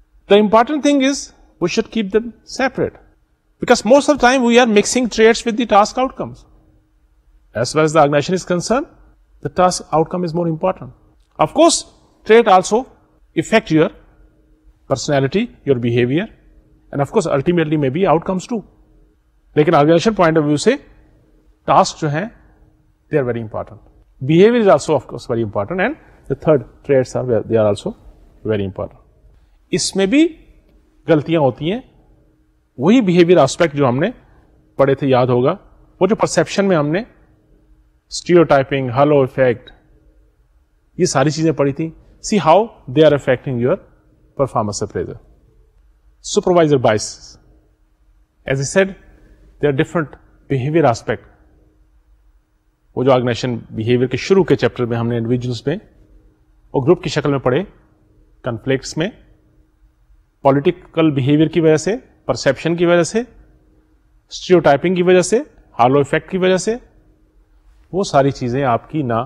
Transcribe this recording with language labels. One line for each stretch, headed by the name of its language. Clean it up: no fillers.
English: The important thing is we should keep them separate. Because most of the time we are mixing traits with the task outcomes. As far as the organization is concerned, the task outcome is more important. Of course, trait also affect your personality, your behavior, and of course ultimately maybe outcomes too. Like an organization point of view say, tasks jo hain, they are very important. Behavior is also of course very important, and the third traits are, they are also very important.
Urdu: Isme bhi galtiyan hoti hain. وہی behaviour aspect جو ہم نے پڑھے تھے یاد ہوگا, وہ جو پرسیپشن میں ہم نے سٹیریوٹائپنگ, ہالو ایفیکٹ, یہ ساری چیزیں پڑھی تھیں.
English: See how they are affecting your performance appraiser. Supervisor bias, as I said they are different behaviour aspect.
Urdu: وہ جو آرگنائزیشن بیہیویئر کے شروع کے چیپٹر میں ہم نے انڈیویجلس میں اور گروپ کی شکل میں پڑھے, کنفلکٹس میں, پولیٹیکل بیہیویئر کی وجہ سے پرسیپشن کی وجہ سے, اسٹیریوٹائپنگ کی وجہ سے, ہالو افیکٹ کی وجہ سے, وہ ساری چیزیں آپ کی نہ.